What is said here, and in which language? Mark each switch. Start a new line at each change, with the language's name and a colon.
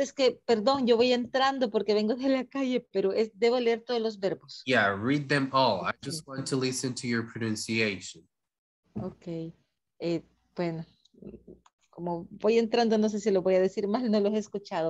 Spanish: Es que, perdón, yo voy entrando porque vengo de la calle, pero es, debo leer todos los verbos.
English: Yeah, read them all. I just want to listen to your pronunciation. Okay.
Spanish: Bueno, como voy entrando, no sé si lo voy a decir mal, no los he escuchado.